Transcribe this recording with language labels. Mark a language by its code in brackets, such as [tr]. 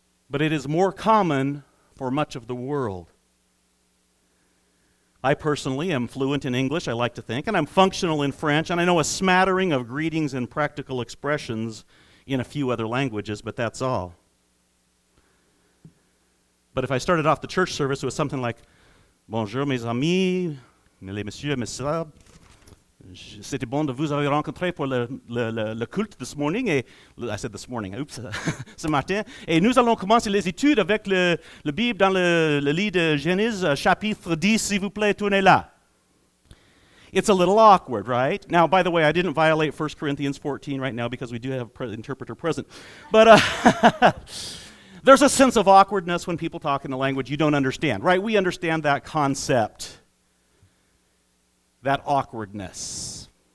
[en] But it is more common for much of the world. I personally am fluent in English, I like to think, and I'm functional in French, and I know a smattering of greetings and practical expressions in a few other languages, but that's all. But if I started off the church service with something like, [fr] bonjour mes amis, les messieurs, mes sœurs, c'était bon de vous avoir rencontré pour le culte [en] this morning. I said this morning, oops, [fr] ce matin. Et nous allons commencer les études avec le Bible dans le livre de Genèse, chapitre 10, s'il vous plaît, tournez là. [en] It's a little awkward, right? Now, by the way, I didn't violate 1 Corinthians 14 right now because we do have an interpreter present. But there's a sense of awkwardness when people talk in a language you don't understand, right? We understand that concept. That awkwardness.